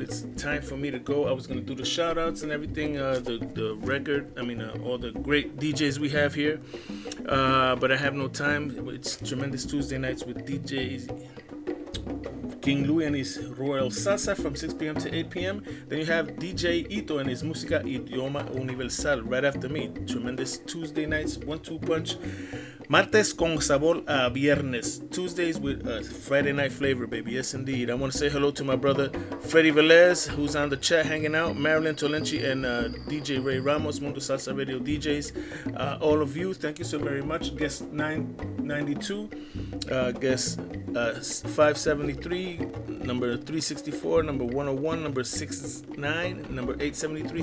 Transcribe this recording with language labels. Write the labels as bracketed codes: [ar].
[en] It's time for me to go. I was going to do the shout outs and everything, all the great DJs we have here, but I have no time. It's Tremendous Tuesday Nights with DJ King Louis and his Royal Salsa from 6 p.m. to 8 p.m. Then you have DJ Ito and his Musica Idioma Universal right after me. Tremendous Tuesday Nights, 1-2 Punch. [es] Martes con sabor a viernes. [en] Tuesdays with a Friday night flavor, baby. Yes, indeed. I want to say hello to my brother, Freddy Velez, who's on the chat hanging out. Marilyn Tolenchi and DJ Ray Ramos, Mundo Salsa Radio DJs. All of you, thank you so very much. Guest 992, guest 573, number 364, number 101, number 69, number 873.